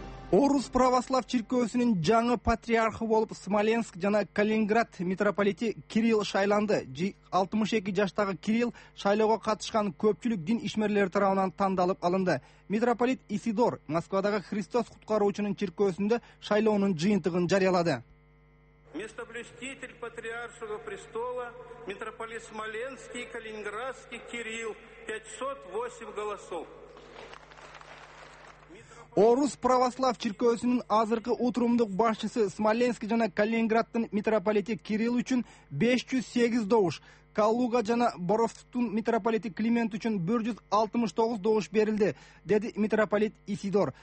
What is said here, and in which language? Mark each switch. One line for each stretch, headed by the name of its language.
Kyrgyz: Орус православ чиркөөсүнүн жаңы патриархы болуп Смоленск жана Калининград митрополити Кирилл шайланды. 62 жаштагы Кирилл шайлоого катышкан көпчүлүк дин ишмерлери тарабынан тандалып алынды. Митрополит Исидор Москвадагы Христос куткаруучунун чиркөөсүндө шайлоонун жыйынтыгын жарыялады.
Russian: Местоблюститель патриаршего престола, митрополит Смоленский и Калининградский Кирилл, 508 голосов.
Kyrgyz: Орус православ чиркөөсүнүн азыркы утурумдук башчысы Смоленск жана Калининграддын митрополити Кирилл үчүн 508 добуш, Калуга жана Боровсктун митрополити Климент үчүн 169 добуш берилди, деди митрополит Исидор.